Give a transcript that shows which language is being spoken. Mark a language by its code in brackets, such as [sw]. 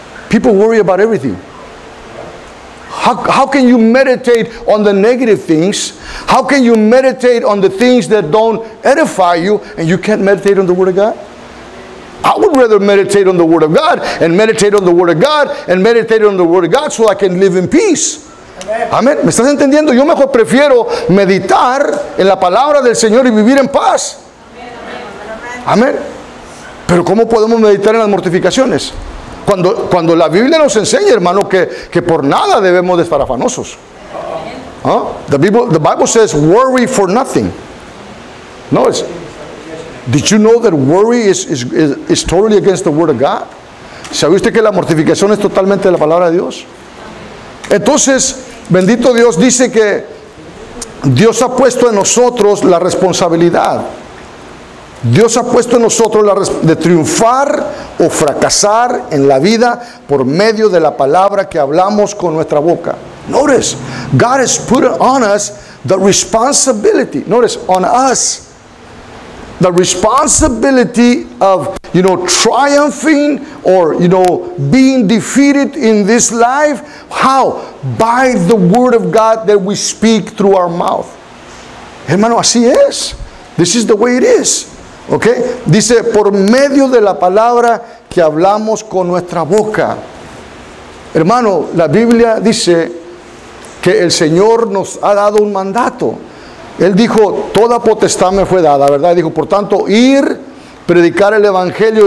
[en] People worry about everything. How can you meditate on the negative things? How can you meditate on the things that don't edify you and you can't meditate on the word of God? I would rather meditate on the word of God and meditate on the word of God and meditate on the word of God so I can live in peace. [es] Amen. ¿Me estás entendiendo? Yo mejor prefiero meditar en la palabra del Señor y vivir en paz. Amén. Pero ¿cómo podemos meditar en las mortificaciones? Cuando la Biblia nos enseña, hermano, que por nada debemos de estar afanosos. [en] The Bible says worry for nothing. No, it's... Did you know that worry is totally against the word of God? [es] ¿Sabe usted que la mortificación es totalmente de la palabra de Dios? Entonces, bendito Dios, dice que Dios ha puesto en nosotros la responsabilidad. Dios ha puesto en nosotros la de triunfar o fracasar en la vida por medio de la palabra que hablamos con nuestra boca. [en] Notice, God has put on us the responsibility. Notice, on us, the responsibility of, you know, triumphing or, you know, being defeated in this life. How? By the word of God that we speak through our mouth. [es] Hermano, así es. [en] This is the way it is. Okay? [es] Dice, por medio de la palabra que hablamos con nuestra boca. Hermano, la Biblia dice que el Señor nos ha dado un mandato. Él dijo, toda potestad me fue dada, ¿verdad? Y dijo, por tanto, ir, predicar el Evangelio.